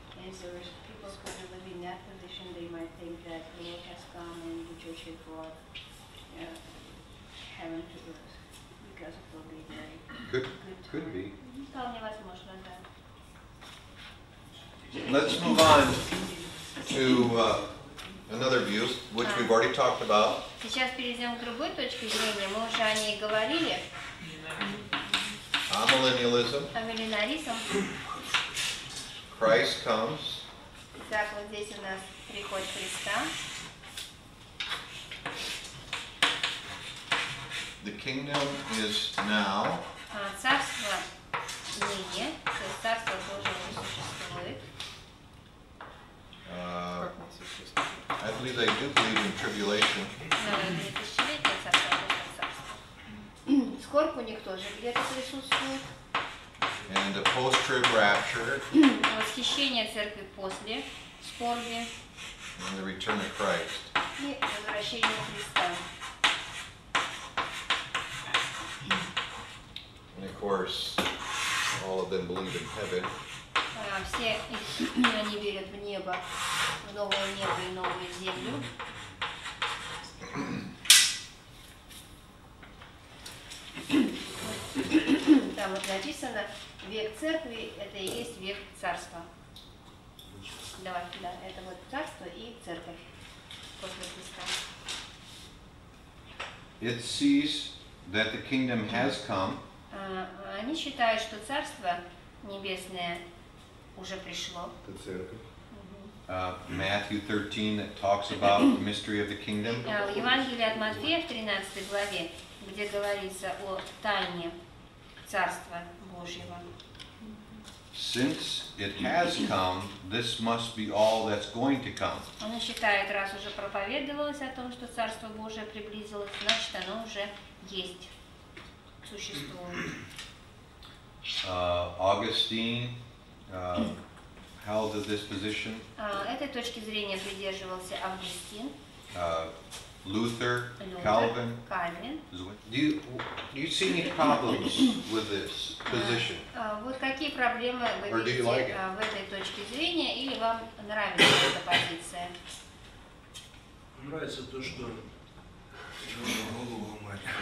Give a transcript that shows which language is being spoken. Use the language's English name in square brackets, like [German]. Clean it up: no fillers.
[English] And so if people who are living in that position, they might think that the Lord has come and the church has brought heaven to earth because it will be very good time. Could be. [Russian] Вполне возможно, да. [English] Let's move on to another view, which we've already talked about. [Russian] Сейчас перейдем к другой точке зрения. Мы уже о ней говорили. Амиллениализм. Амиллениализм. [English] Christ comes. [Russian] Итак, вот здесь у нас приход Христа. [English] The kingdom is now. [Russian] Царство ныне, то есть Царство Божие уже существует. [English] I believe they do believe in tribulation. [Russian] Скорбь у них тоже где-то присутствует. [English] And the post-trib rapture. [Russian] Восхищение церкви после скорби. [English] And the return of Christ. [Russian] И возвращение Христа. [English] And of course, all of them believe in heaven. [Russian] Все они верят в небо, в новое небо и новую землю. Там вот написано, век церкви – это и есть век царства. Давай, да, это вот царство и церковь после Христа. [English] It sees that the kingdom has come. [Russian] Они считают, что царство небесное уже пришло. The церковь. [English] Matthew 13 that talks about the mystery of the kingdom. [Russian] В Евангелии от Матфея в 13 главе, где говорится о тайне Царства Божьего. [English] Since it has come, this must be all that's going to come. [Russian] Он считает, раз уже проповедовалось о том, что Царство Божие приблизилось, значит оно уже есть, существует. [English] Augustine held this position. [Russian] Этой точки зрения придерживался Августин. [English] Luther, Calvin. Do you see any problems with this position? [Russian] Вот какие проблемы вы видите в этой точке зрения, или вам нравится эта позиция? Нравится то, что голову мать.